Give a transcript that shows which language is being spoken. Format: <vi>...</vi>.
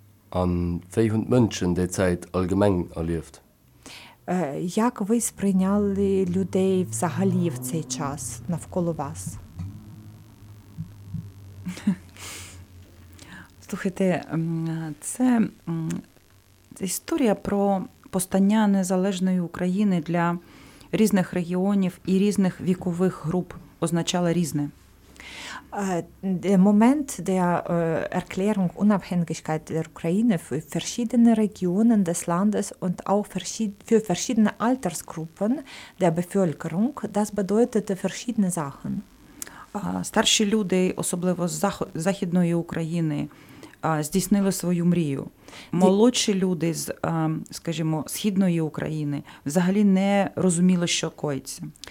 <de>An 400 Menschen der Zeit allgemein erlebt.</de> <uk>Як ви сприйняли людей взагалі в цей час навколо вас? Слухайте, це історія про постання незалежної України для різних регіонів і різних вікових груп означала різне.</uk> <de>Der Moment der Erklärung Unabhängigkeit der Ukraine für verschiedene Regionen des Landes und auch für verschiedene Altersgruppen der Bevölkerung, das bedeutete verschiedene Sachen.</de> <uk>Старші люди, особливо з Західної України, здійснили свою мрію. Молодші люди з, скажімо, Східної України взагалі не розуміли, що коїться.</uk>